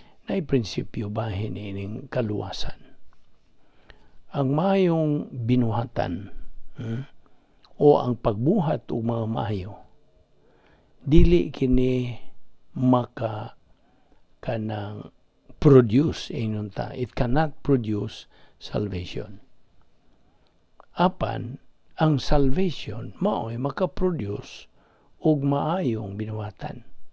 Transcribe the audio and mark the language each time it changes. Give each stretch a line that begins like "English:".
Cebuano: Ay prinsipyo bahin ining kaluwasan. Ang mayong binuhatan o ang pagbuhat o mga mayo, dili kini maka kanang produce inunta.
English: It cannot produce salvation.
Cebuano: Apan, ang salvation maoy makaproduce o maayong binuhatan.